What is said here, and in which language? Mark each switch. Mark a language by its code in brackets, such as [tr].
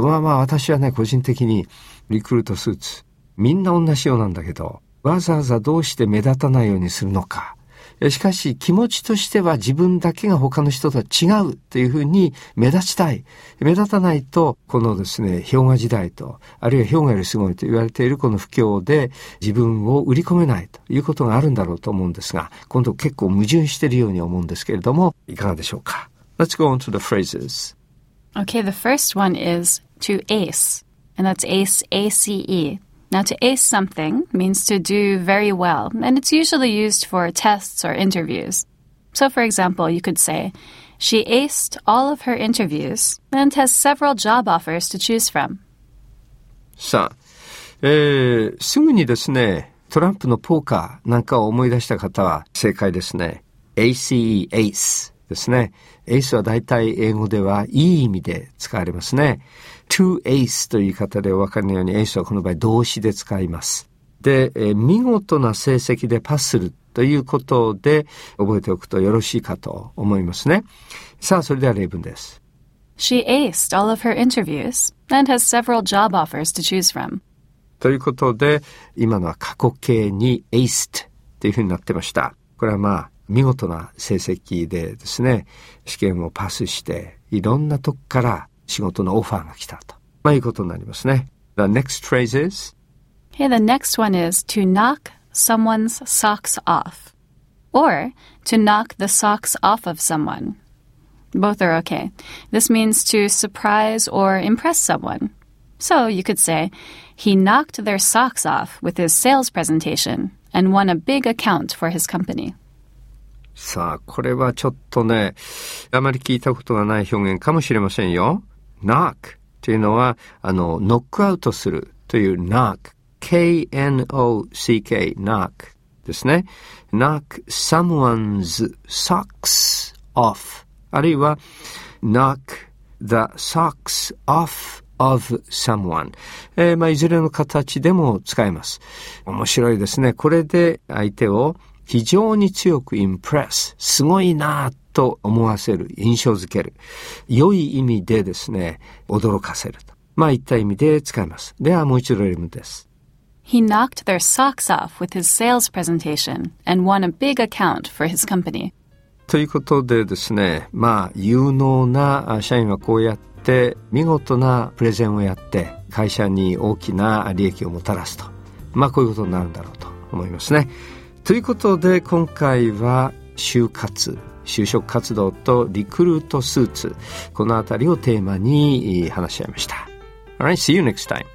[ja] まあまあ私はね、個人的にリクルートスーツみんな同じようなんだけど、わざわざどうして目立たないようにするのか、しかし気持ちとしては自分だけが他の人とは違うというふうに目立ちたい。目立たないとこのですね、氷河時代と、あるいは氷河よりすごいと言われているこの不況で自分を売り込めないということがあるんだろうと思うんですが、今度結構矛盾しているように思うんですけれども、いかがでしょうか。 [en] Let's go on to the phrases. Okay, the first one is to ace, and that's ace, A-C-E. Now, to ace something means to do very well, and it's usually used for tests or interviews. So, for example, you could say, she aced all of her interviews and has several job offers to choose from. [ja] さあ、すぐにですね、トランプのポーカーなんかを思い出した方は正解ですね。 ACE, ace ですね。 ace は大体英語ではいい意味で使われますね。 to ace という言い方でお分かりのように、ace はこの場合動詞で使います。で、見事な成績でパスするということで覚えておくとよろしいかと思いますね。さあ、それでは例文です。 [en] She aced all of her interviews and has several job offers to choose from. [ja] ということで、今のは過去形に aced というふうになってました。これはまあ、見事な成績でですね、試験をパスして、いろんなとこから仕事のオファーが来たと、まあいうことになりますね。 [en] The next phrase is? Hey, the next one is to knock someone's socks off. Or to knock the socks off of someone. Both are okay. This means to surprise or impress someone. So you could say, he knocked their socks off with his sales presentation and won a big account for his company. [ja] さあ、これはちょっとね、あまり聞いたことがない表現かもしれませんよ。 knock というのは、ノックアウトするという knock、K-N-O-C-K、knock ですね。 [en] knock someone's socks off。あるいは、knock the socks off of someone。 [ja] まあ、いずれの形でも使えます。面白いですね。これで相手を非常に強くインプレス、すごいなと思わせる、印象付ける。良い意味でですね、驚かせると。まあ、言った意味で使います。では、もう一度例文です。 [en] He knocked their socks off with his sales presentation and won a big account for his company. [ja] ということでですね、まあ、有能な社員はこうやって、見事なプレゼンをやって、会社に大きな利益をもたらすと。まあ、こういうことになるんだろうと思いますね。ということで、今回は就活、就職活動とリクルートスーツ、このあたりをテーマに話し合いました。 [en] Alright, see you next time.